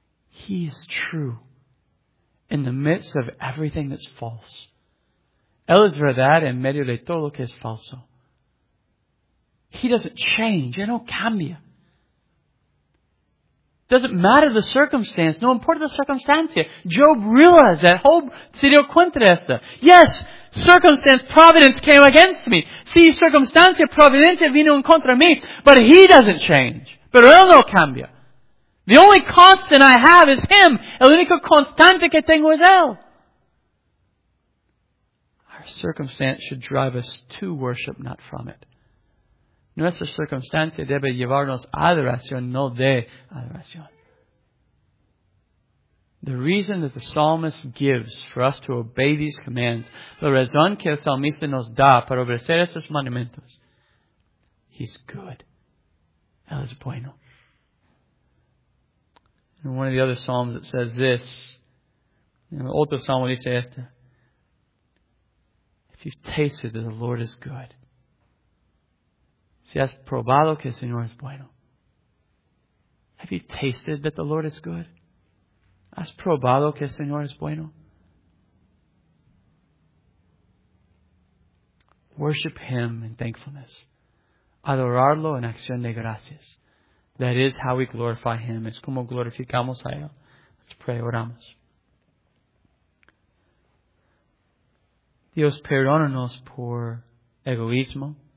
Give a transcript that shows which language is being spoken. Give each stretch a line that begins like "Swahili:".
English: He is true in the midst of everything that's false.
Spanish: Él es verdad en medio de todo lo que es falso.
English: He doesn't change.
Spanish: Él no cambia.
English: Doesn't matter the circumstance.
Spanish: No importa la circunstancia.
English: Job realized that.
Spanish: Job se dio cuenta de esto.
English: Yes, circumstance, providence came against me.
Spanish: Sí, circunstancia, providencia vino en contra de mí.
English: But He doesn't change.
Spanish: Pero Él no cambia.
English: The only constant I have is Him.
Spanish: El único constante que tengo es Él.
English: Our circumstance should drive us to worship, not from it.
Spanish: Nuestra circunstancia debe llevarnos a adoración, no de adoración.
English: The reason that the psalmist gives for us to obey these commands,
Spanish: la razón que el salmista nos da para obedecer estos mandamientos,
English: He's good.
Spanish: Él es bueno.
English: In one of the other psalms it says this, in
Spanish: otro psalm dice este,
English: if you've tasted that the Lord is good,
Spanish: si has probado que el Señor es bueno.
English: Have you tasted that the Lord is good?
Spanish: Has probado que el Señor es bueno?
English: Worship Him in thankfulness.
Spanish: Adorarlo en acción de gracias.
English: That is how we glorify Him.
Spanish: Es como glorificamos a Él.
English: Let's pray.
Spanish: Oramos. Dios, perdónanos por egoísmo.